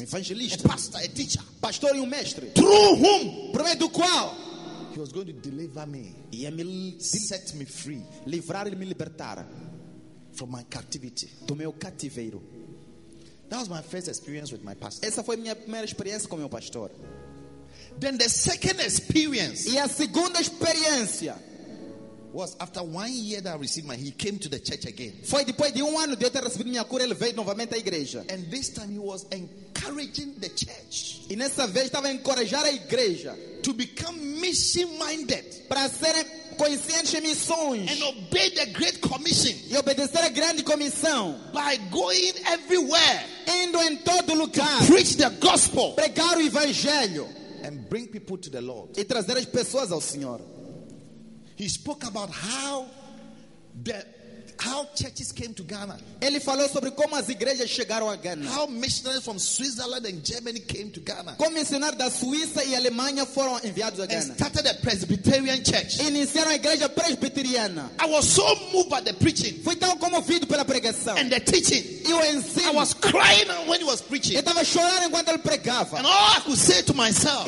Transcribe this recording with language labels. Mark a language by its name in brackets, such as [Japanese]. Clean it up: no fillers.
[Portuguese] um evangelista. [English] A pastor, a teacher, [Portuguese] pastor e mestre. [English] Through whom? [Portuguese] Por meio do qual? [English] He was going to deliver me. [Portuguese] Ia me [English] set me free. [Portuguese] Livrar e me libertar [English] from my captivity. [Portuguese] Do meu cativeiro. [English] That was my first experience with my pastor. [Portuguese] Essa foi minha primeira experiência com meu pastor. [English] Then the second experience. [Portuguese] E a segunda experiência [English] was after 1 year that I received my, he came to the church again. [Portuguese] Foi depois de 1 ano de eu ter recebido minha cura, ele veio novamente à igreja. [English] And this time he was encouraging the church. [Portuguese] E nessa vez estava a encorajar a igreja. [English] To become mission minded. [Portuguese] Para serem conscientes em missões. [English] And obey the great commission. [Portuguese] E obedecer a grande comissão. [English] By going everywhere. [Portuguese] Indo em todo lugar. [English] To preach the gospel. [Portuguese] Pregar o evangelho. [English] And bring people to the Lord. [Portuguese] E trazer as pessoas ao Senhor. [English] He spoke about how churches came to Ghana. [Portuguese] Ele falou sobre como as igrejas chegaram a Ghana. [English] How missionaries from Switzerland and Germany came to Ghana. [Portuguese] Como missionários da Suíça e Alemanha foram enviados a Ghana. [English] And started a Presbyterian church. [Portuguese] Iniciaram a igreja presbiteriana. [English] I was so moved by the preaching. [Portuguese] Fui tão comovido pela pregação. [English] And the teaching. [Portuguese] E o ensino. [English] I was crying when he was preaching. [Portuguese] Eu estava chorando enquanto ele pregava. [English] And all I could say to myself.